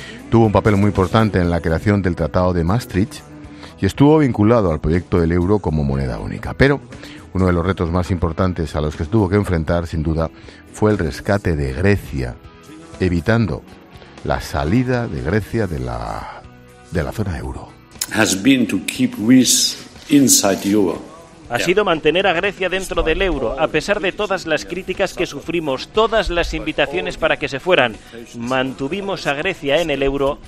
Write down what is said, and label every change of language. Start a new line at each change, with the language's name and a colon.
Spanish: Tuvo un papel muy importante en la creación del Tratado de Maastricht y estuvo vinculado al proyecto del euro como moneda única. Pero uno de los retos más importantes a los que tuvo que enfrentar, sin duda, fue el rescate de Grecia, evitando la salida de Grecia de la zona euro.
English: Has been to keep Greece inside Europe.
Spanish: Ha sido mantener a Grecia dentro del euro, a pesar de todas las críticas que sufrimos, todas las invitaciones para que se fueran. Mantuvimos a Grecia en el euro.